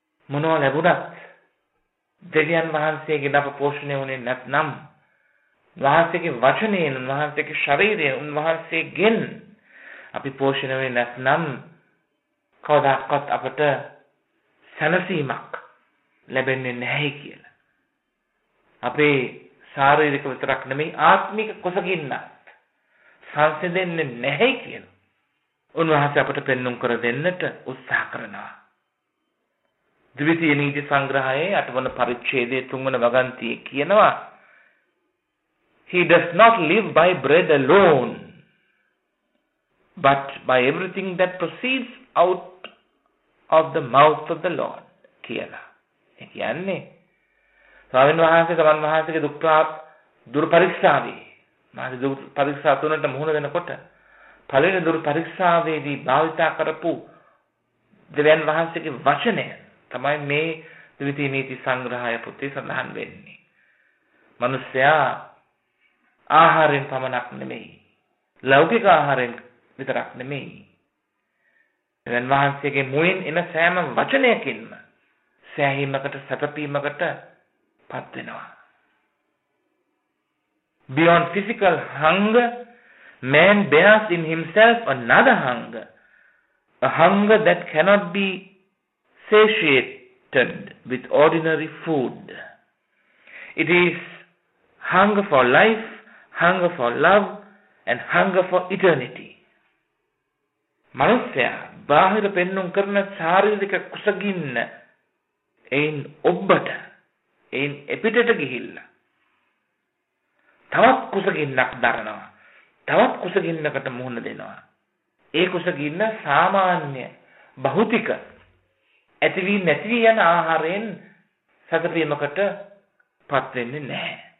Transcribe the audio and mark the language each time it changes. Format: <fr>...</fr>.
<si>මොනවා ලැබුණත් දෙවියන් වහන්සේගේ නම පෝෂණය වුණේ නැත්නම් වහන්සේගේ වචනයෙන් උන්වහන්සේගේ ශරීරයෙන් උන්වහන්සේගෙන් අපි පෝෂණය වුණේ නැත්නම් කවදාකවත් අපට සැනසීමක් ලැබෙන්නේ නැහැ කියලා අපේ ශාරීරික විතරක් නෙමෙයි ආත්මික කුසගින්නත් සංසිඳෙන්නේ නැහැ කියන උන්වහන්සේ අපට පෙන්눔 කර දෙන්නට උත්සාහ කරනවා. ද්විතීයි නීති සංග්‍රහයේ 8 වන පරිච්ඡේදයේ 3 වන වගන්තියේ කියනවා</si> <en>He does not live by bread alone, but by everything that proceeds out of the mouth of the Lord.</en> <si>කියලා. ඒ කියන්නේ ස්වාමීන් වහන්සේ සමන් වහන්සේගේ දුර් පරික්ෂාවේ මාගේ දුර් පරික්ෂා තුනට මුහුණ දෙනකොට පළවෙනි දුර් පරික්ෂාවේදී භාවිත කරපු දෙවියන් වහන්සේගේ වචනය තමයි මේ ද්විතී නීති සංග්‍රහය පොතේ සඳහන් වෙන්නේ. මනුෂ්‍යයා ආහාරයෙන් පමණක් නෙමෙයි ලෞකික ආහාරයෙන් විතරක් නෙමෙයි දෙවියන් වහන්සේගේ මුයින් එන සෑම වචනයකින්ම සෑහීමකට සැපපීමකට පත් වෙනවා.</si> <en>Beyond physical hunger, man bears in himself another hunger, a hunger that cannot be satiated with ordinary food. It is hunger for life, hunger for love, and hunger for eternity.</en> <si>මනුෂ්‍යයා බාහිර පෙන්නුම් කරන ශාරීරික කුසගින්න එයින් ඔබට එයින් එපිටට ගිහිල්ලා තවත් කුසගින්නක් දරනවා, තවත් කුසගින්නකට මුහුණ දෙනවා. ඒ කුසගින්න සාමාන්‍ය භෞතික ඇතිවී නැතිව යන ආහාරයෙන් සැතපීමකට පත් වෙන්නේ නැහැ.</si>